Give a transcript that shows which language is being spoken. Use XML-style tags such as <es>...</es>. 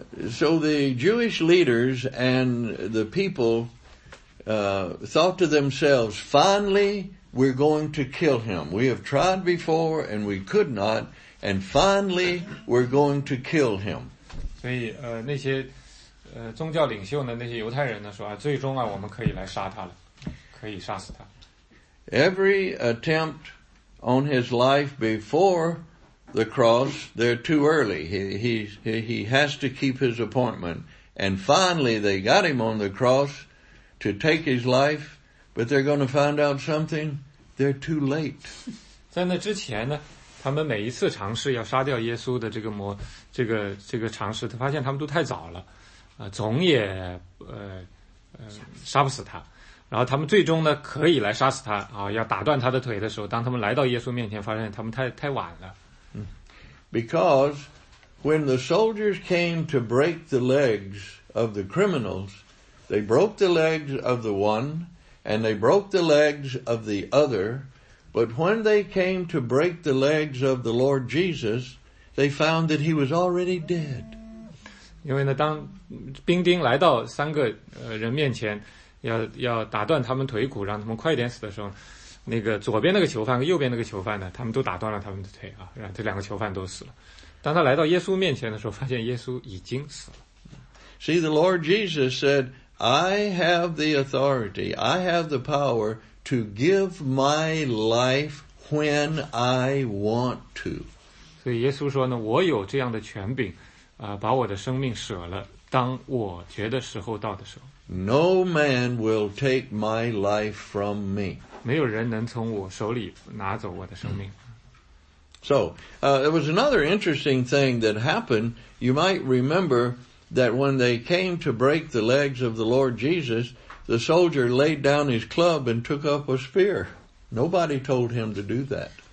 <en>So the Jewish leaders and the people thought to themselves, finally we're going to kill him. We have tried before and we could not, and finally we're going to kill him.</en> <zh>所以那些宗教领袖呢，那些犹太人呢说，最终啊我们可以来杀他了，可以杀死他。</zh> <en>Every attempt on his life before the cross, they're too early. He has to keep his appointment. And finally, they got him on the cross to take his life, but they're going to find out something. They're too late.</en> <zh>在那之前呢，他们每一次尝试要杀掉耶稣的这个尝试，他发现他们都太早了，总也杀不死他。然后他们最终呢可以来杀死他啊，要打断他的腿的时候，当他们来到耶稣面前，发现他们太晚了。</zh> <en>Because when the soldiers came to break the legs of the criminals, they broke the legs of the one and they broke the legs of the other. But when they came to break the legs of the Lord Jesus, they found that he was already dead.</en> <zh>因为呢，当兵丁来到三个人面前，要打断他们腿骨，让他们快点死的时候，那个左边那个囚犯和右边那个囚犯呢，他们都打断了他们的腿啊，让这两个囚犯都死了。当他来到耶稣面前的时候，发现耶稣已经死了。</zh> <en>See, the Lord Jesus said, I have the authority, I have the power to give my life when I want to.</en> <zh>所以耶稣说呢，我有这样的权柄，把我的生命舍了，当我觉得时候到的时候。</zh> <en>No man will take my life from me.</en> <zh>没有人能从我手里拿走我的生命。</zh> <en>So, there was another interesting thing that happened. You might remember that when they came to break the legs of the Lord Jesus, the soldier laid down his club and took up a spear. Nobody told him to do that.</en>